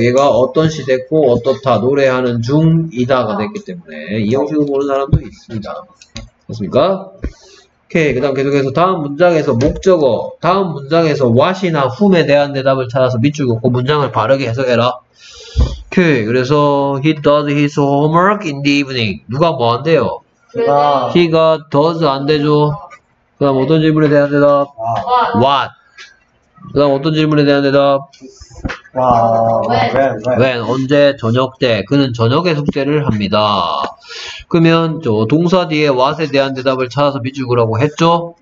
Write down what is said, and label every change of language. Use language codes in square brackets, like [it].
[ko] 얘가 어떤 시대고 어떻다 노래하는 중이다가 됐기 때문에 2형식으로 보는 사람도 있습니다. 됐습니까? 오케이, 그 다음 계속해서 다음 문장에서 목적어, 다음 문장에서 what이나 whom에 대한 대답을 찾아서 밑줄 긋고 문장을 바르게 해석해라. 오케이, 그래서 [en] he does his homework in the evening. [ko] 누가 뭐 한대요? 아. he가 does 안되죠? 그 다음 어떤 질문에 대한 대답? 아. [en] what? [ko] 그 다음 어떤 질문에 대한 대답? [en] 아. when? [ko] 언제? 저녁 때. 그는 저녁에 숙제를 합니다. 그러면 저 동사 뒤에 what에 대한 대답을 찾아서 밑줄 그으라고 했죠?